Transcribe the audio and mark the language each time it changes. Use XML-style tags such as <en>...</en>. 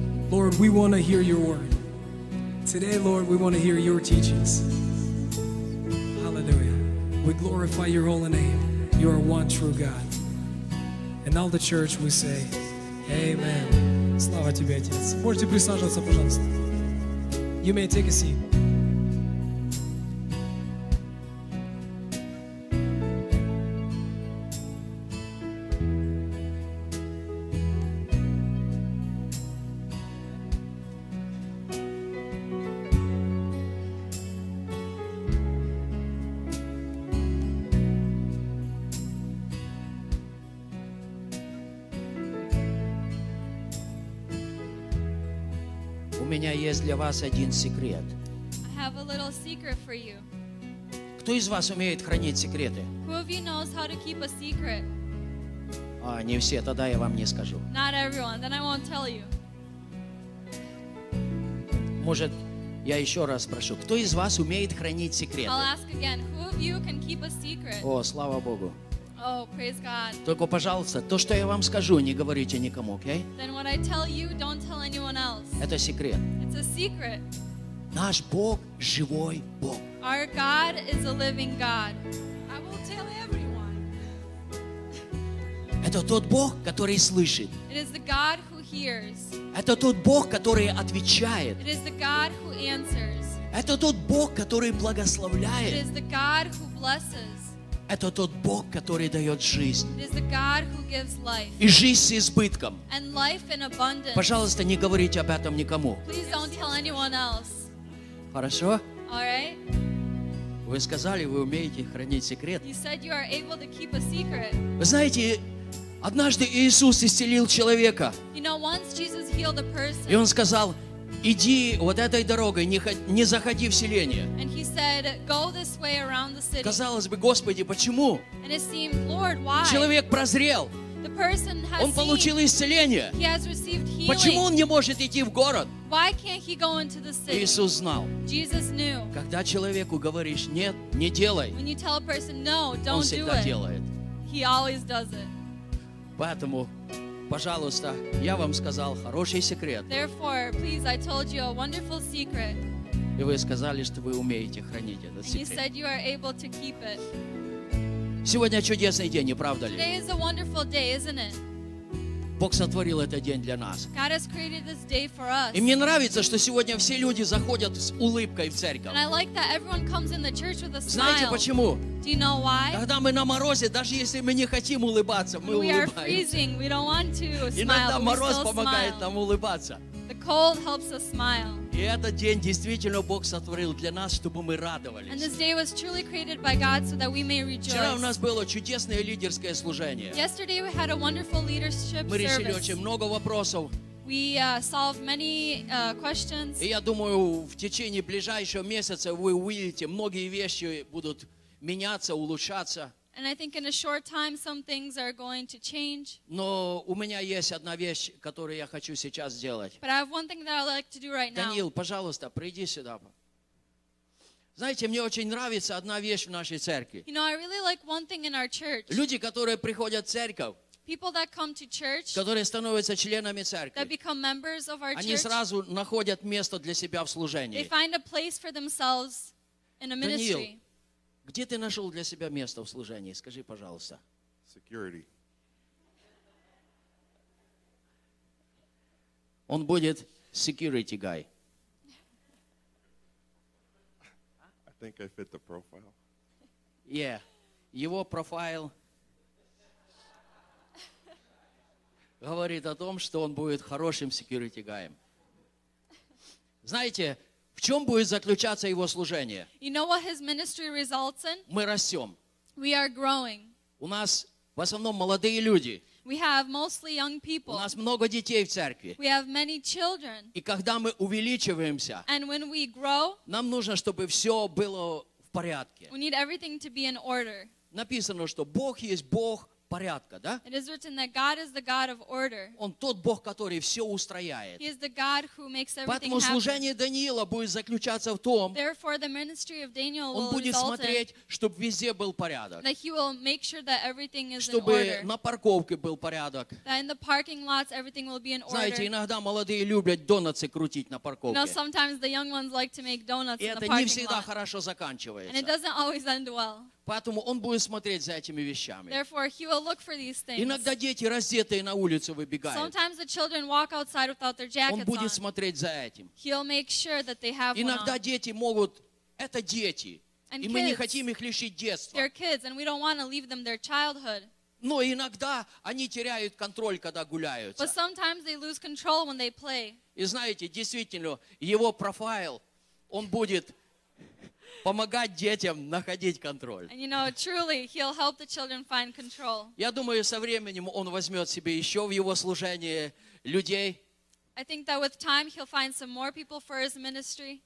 <en>Lord, we want to hear Your word. Today, Lord, we want to hear Your teachings. Hallelujah. We glorify Your holy name. You are one true God. And all the church, we say, amen.</en> <ru>Слава тебе, Отец. Можете присаживаться, пожалуйста.</ru> <en>You may take a seat.</en> <ru>меня есть для вас один секрет.</ru> <en>I have a little secret for you.</en> <ru>Кто из вас умеет хранить секреты?</ru> <en>Who of you knows how to keep a secret?</en> <ru>А, не все, тогда я вам не скажу.</ru> <en>Not everyone, then I won't tell you.</en> <ru>Может, я еще раз спрошу, кто из вас умеет хранить секреты?</ru> <en>I'll ask again, who of you can keep a secret?</en> <ru>О, слава Богу.</ru> <en>Oh, praise God.</en> <ru>Только, пожалуйста, то, что я вам скажу, не говорите никому, окей?</ru> <en>Then what I tell you, don't tell anyone else.</en> <ru>Это секрет.</ru> <en>It's a secret.</en> <ru>Наш Бог – живой Бог.</ru> <en>Our God is a living God. I will tell everyone.</en> <ru>Это тот Бог, который слышит.</ru> <en>It is the God who hears.</en> <ru>Это тот Бог, который отвечает.</ru> <en>It is the God who answers.</en> <ru>Это тот Бог, который благословляет.</ru> <en>It is the God who blesses.</en> <ru>Это тот Бог, который дает жизнь.</ru> <en>It is the God who gives life.</en> <ru>И жизнь с избытком.</ru> <en>And life in abundance.</en> <ru>Пожалуйста, не говорите об этом никому.</ru> <en>Please don't tell anyone else.</en> <ru>Хорошо?</ru> <en>All right.</en> <ru>Вы сказали, вы умеете хранить секрет.</ru> <en>You said you are able to keep a secret.</en> <ru>Вы знаете, однажды Иисус исцелил человека.</ru> <en>You know, once Jesus healed a person.</en> <ru>И Он сказал, иди вот этой дорогой, не заходи в селение.</ru> <en>And he said, go this way around the city.</en> <ru>Казалось бы, Господи, почему?</ru> <en>And it seemed, Lord, why?</en> <ru>Человек прозрел.</ru> <en>The person has</en> <ru>он получил исцеление.</ru> <en>He has received healing.</en> <ru>Почему он не может идти в город?</ru> <en>Why can't he go into the city?</en> <ru>Иисус знал.</ru> <en>Jesus knew.</en> <ru>Когда человеку говоришь, нет, не делай,</ru> <en>when you tell a person, no, don't</en> <ru>он всегда</ru> <en>do it,</en> <ru>делает.</ru> <en>He always does it.</en> <ru>Поэтому, пожалуйста, я вам сказал хороший секрет.</ru> <en>Therefore, please, I told you a wonderful secret.</en> <ru>И вы сказали, что вы умеете хранить этот</ru> <en>and</en> <ru>секрет.</ru> <en>You said you are able to keep it.</en> <ru>Сегодня чудесный день, не правда ли?</ru> <en>Today is a wonderful day, isn't it?</en> <ru>Бог сотворил этот день для нас.</ru> <en>God has created this day for us.</en> <ru>И мне нравится, что сегодня все люди заходят с улыбкой в церковь.</ru> <en>And I like that everyone comes in the church with a smile.</en> <ru>Знаете почему?</ru> <en>Do you know why?</en> <ru>Когда мы на морозе, даже если мы не хотим улыбаться, мы улыбаемся.</ru> <en>We are freezing. We don't want to smile.</en> <ru>Иногда мороз помогает нам улыбаться.</ru> <en>The cold helps us smile.</en> <ru>И этот день действительно Бог сотворил для нас, чтобы мы радовались.</ru> <en>And this day was truly created by God so that we may rejoice.</en> <ru>Вчера у нас было чудесное лидерское служение.</ru> <en>Yesterday we had a wonderful leadership service.</en> <ru>Мы решили очень много вопросов.</ru> <en>We solved many questions.</en> <ru>И я думаю, в течение ближайшего месяца вы увидите, многие вещи будут меняться, улучшаться.</ru> <en>And I think in a short time some things are going to change.</en> <ru>Но у меня есть одна вещь, которую я хочу сейчас сделать.</ru> <en>But I have one thing that I'd like to do right now.</en> <ru>Даниил, пожалуйста, приди сюда. Знаете, мне очень нравится одна вещь в нашей церкви.</ru> <en>You know, I really like one thing in our church.</en> <ru>Люди, которые приходят в церковь,</ru> <en>people that come to church,</en> <ru>которые становятся членами церкви,</ru> <en>that become members of our</en> <ru>они</ru> <en>church,</en> <ru>сразу находят место для себя в служении.</ru> <en>They find a place for themselves in a ministry.</en> <ru>Даниил, где ты нашел для себя место в служении? Скажи, пожалуйста.</ru> <en>Security.</en> <ru>Он будет</ru> <en>security guy. I think I fit the profile. Yeah.</en> <ru>Его профайл говорит о том, что он будет хорошим</ru> <en>security guy.</en> <ru>Знаете, в чем будет заключаться его служение?</ru> <en>You know what his ministry results in?</en> <ru>Мы растем.</ru> <en>We are growing.</en> <ru>У нас в основном молодые люди.</ru> <en>We have mostly young people.</en> <ru>У нас много детей в церкви.</ru> <en>We have many children.</en> <ru>И когда мы увеличиваемся,</ru> <en>and when we grow,</en> <ru>нам нужно, чтобы все было в порядке.</ru> <en>We need everything to be in order.</en> <ru>Написано, что Бог есть Бог порядка, да?</ru> <en>It is written that God is the God of order.</en> <ru>Он тот Бог, который все устрояет.</ru> <en>He is the God who makes everything</en> <ru>Поэтому служение Даниила будет заключаться в том,</ru> <en>therefore, the ministry of Daniel will result in,</en> <ru>он будет смотреть, чтобы везде был порядок.</ru> <en>That he will make sure that everything is</en> <ru>чтобы</ru> <en>in order.</en> <ru>На парковке был порядок.</ru> <en>That in the parking lots everything will be in order.</en> <ru>Знаете, иногда молодые любят донатсы крутить на парковке.</ru> <en>Now, sometimes the young ones like to make donuts</en> <ru>и</ru> <en>in the parking lot.</en> <ru>И это не всегда хорошо заканчивается.</ru> <en>And it doesn't always end well.</en> <ru>Поэтому он будет смотреть за этими вещами.</ru> <en>Therefore, he will look for these things.</en> <ru>Иногда дети раздетые на улицу выбегают.</ru> <en>Sometimes the children walk outside without their jackets on.</en> <ru>Он будет</ru> <en>on.</en> <ru>Смотреть за этим.</ru> <en>He'll make sure that they have</en> <ru>иногда</ru> <en>one on.</en> <ru>Дети могут... Это дети.</ru> <en>And</en> <ru>и</ru> <en>kids,</en> <ru>мы не хотим их лишить детства.</ru> <en>They're kids and we don't want to leave them their childhood.</en> <ru>Но иногда они теряют контроль, когда гуляют.</ru> <en>But sometimes they lose control when they play.</en> <ru>И знаете, действительно, его профайл, он будет... помогать детям находить контроль.</ru> <en>And you know, truly, he'll help the children find control.</en> <ru>Я думаю, со временем он возьмет себе еще в его служение людей.</ru> <en>I think that with time he'll find some more people for his ministry.</en>